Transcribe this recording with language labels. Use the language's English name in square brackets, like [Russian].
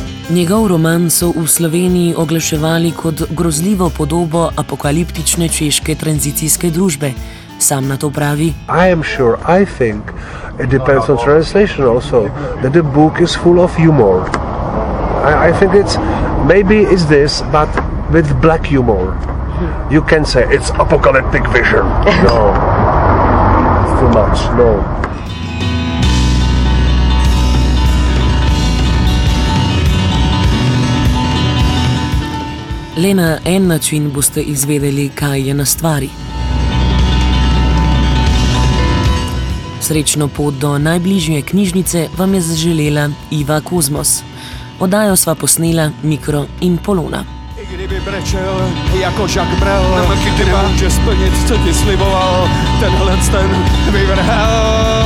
[Slovenian] Njegov roman so v Sloveniji oglaševali kot grozljivo podobo apokaliptične češke tranzicijske družbe. Sam na to pravi. [English] I am sure, I think, it depends on translation also, that the book is full of humor. I think it's, maybe it's this, but with black humor. You can say it's apocalyptic vision. No, it's too much, no. [Slovenian] Le na en način boste izvedeli, kaj je na stvari. Srečno pot do najbližje knjižnice vam je zaželela Iva Kozmos. Oddajo sva posnela Mikro in Polona. [Czech] I kdyby brečel jako Jacques Brel, nemůže splnit, co ti sliboval, tenhle ten vyvrhel.